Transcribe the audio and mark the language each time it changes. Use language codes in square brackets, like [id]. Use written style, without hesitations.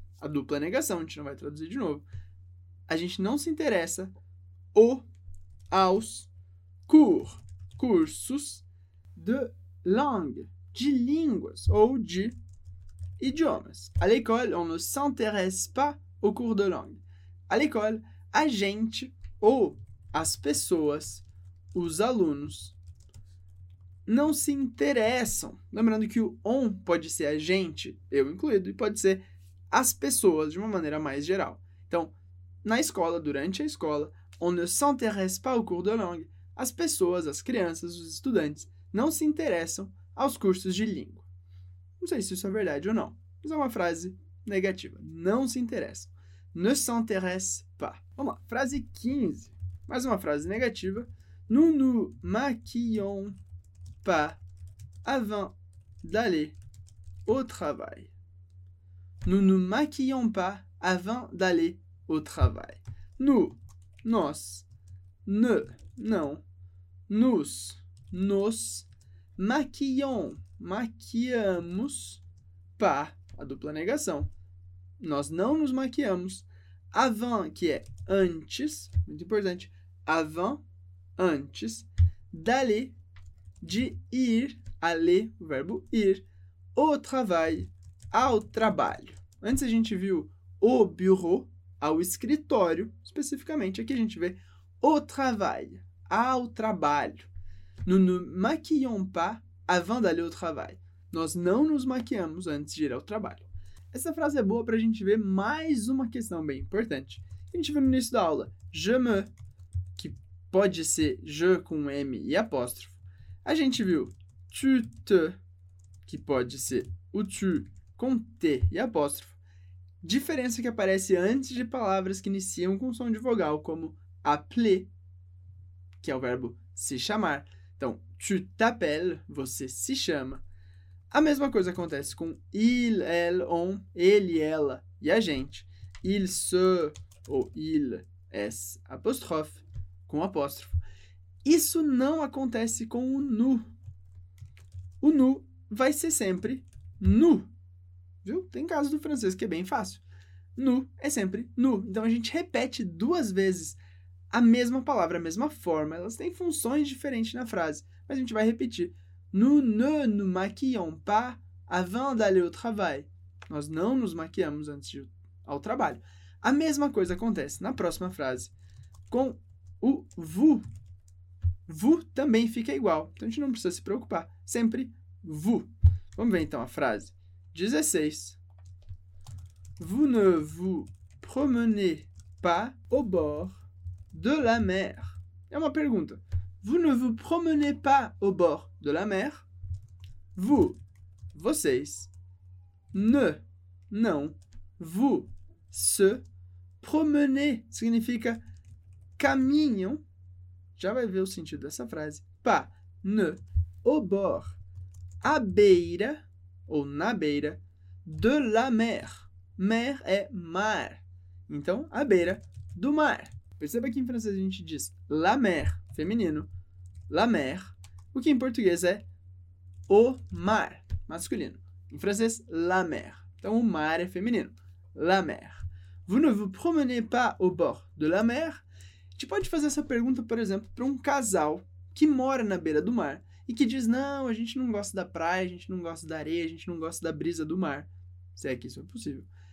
[pt] A dupla negação, a gente não vai traduzir de novo. A gente não se interessa aos cursos de langue, de línguas ou de idiomas. [fr] À l'école, on ne s'intéresse pas aux cours de langue. À l'école, [pt] a gente ou as pessoas, os alunos, não se interessam. Lembrando que o on pode ser a gente, eu incluído, e pode ser as pessoas de uma maneira mais geral. Então, na escola, durante a escola, [fr] on ne s'intéresse pas au cours de langue. [pt] As pessoas, as crianças, os estudantes não se interessam aos cursos de língua. Não sei se isso é verdade ou não, mas é uma frase negativa. Não se interessam. [fr] Ne s'intéresse pas. [pt] Vamos lá. Frase 15. Mais uma frase negativa. [fr] Nous nous maquillons pas avant d'aller au travail. Nous nous maquillons pas avant d'aller au travail. Nous, nós, ne, não, Nos maquillons. [pt] Maquiamos. Pá, a dupla negação. Nós não nos maquiamos. Avant, que é antes, muito importante. Avant, antes. D'aller, de ir. Aller, o verbo ir. Au travail, ao trabalho. Antes a gente viu au bureau, ao escritório, especificamente. Aqui a gente vê au travail, ao trabalho. [fr] Nous ne maquillons pas avant d'aller au travail. [pt] Nós não nos maquiamos antes de ir ao trabalho. Essa frase é boa para a gente ver mais uma questão bem importante. A gente viu no início da aula, je me, que pode ser je com M e apóstrofo. A gente viu tu te, que pode ser o tu com T e apóstrofo. Diferença que aparece antes de palavras que iniciam com som de vogal, como appeler, que é o verbo se chamar. Então, tu t'appelles, você se chama. A mesma coisa acontece com il, elle, on, ele, ela e a gente. Il se ou il s apostrophe com apóstrofo. Isso não acontece com o nu. O nu vai ser sempre nu. Viu? Tem caso do francês que é bem fácil. Nu é sempre nu. Então a gente repete duas vezes a mesma palavra, a mesma forma. Elas têm funções diferentes na frase, mas a gente vai repetir. [fr] Nous ne nous maquillons pas avant d'aller au travail. [pt] Nós não nos maquiamos antes de ir ao trabalho. A mesma coisa acontece na próxima frase com o vous. Vous também fica igual, então a gente não precisa se preocupar. Sempre vous. Vamos ver então a frase 16. [fr] Vous ne vous promenez pas au bord de la mer. [pt] É uma pergunta. [fr] Vous ne vous promenez pas au bord de la mer. [pt] Vous, vocês. Ne, não. Vous, se. Promener, significa caminham. Já vai ver o sentido dessa frase. Pas, ne, au bord. À beira, ou na beira, de la mer. Mer é mar. Então, à beira do mar. Perceba que em francês a gente diz la mer, feminino. La mer, o que em português é o mar, masculino. Em francês, la mer. Então, o mar é feminino. La mer. [fr] Vous ne vous promenez pas au bord de la mer? [pt] A gente pode fazer essa pergunta, por exemplo, para um casal que mora na beira do mar e que diz, não, a gente não gosta da praia, a gente não gosta da areia, a gente não gosta da brisa do mar. Se é que isso é possível.